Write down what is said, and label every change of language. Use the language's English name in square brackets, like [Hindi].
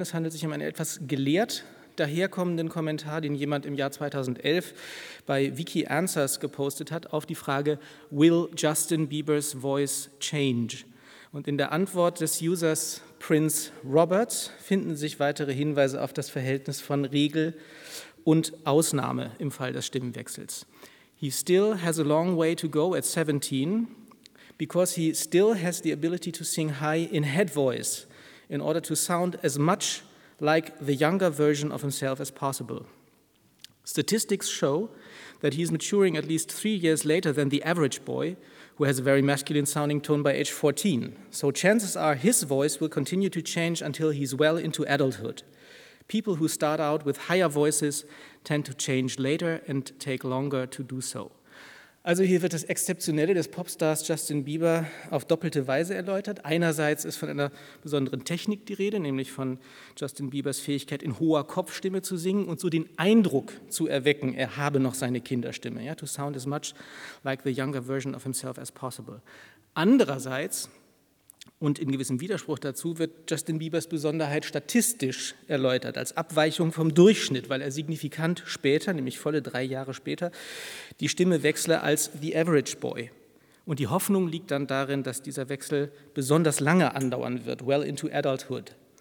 [German] Es handelt sich um einen etwas gelehrt daherkommenden Kommentar, den jemand im Jahr 2011 bei Wiki Answers gepostet hat, auf die Frage, [English] will Justin Bieber's voice change? [German] Und in der Antwort des Users Prince Robert finden sich weitere Hinweise auf das Verhältnis von Regel und Ausnahme im Fall des Stimmwechsels. [English] He still has a long way to go at 17, because he still has the ability to sing high in head voice in order to sound as much like the younger version of himself as possible. Statistics show that he is maturing at least 3 years later than the average boy, who has a very masculine sounding tone by age 14. So chances are his voice will continue to change until he's well into adulthood. People who start out with higher voices tend to change later and take longer to do so. [German] Also hier wird das Exzeptionelle des Popstars Justin Bieber auf doppelte Weise erläutert. Einerseits ist von einer besonderen Technik die Rede, nämlich von Justin Biebers Fähigkeit, in hoher Kopfstimme zu singen und so den Eindruck zu erwecken, er habe noch seine Kinderstimme. [English] Ja, to sound as much like the younger version of himself as possible. [German] Andererseits, und in gewissem Widerspruch dazu, wird Justin Biebers Besonderheit statistisch erläutert, als Abweichung vom Durchschnitt, weil er signifikant später, nämlich volle 3 Jahre später, die Stimme wechsle als [English] the average boy. [German] Und die Hoffnung liegt dann darin, dass dieser Wechsel besonders lange andauern wird, [English] well into adulthood.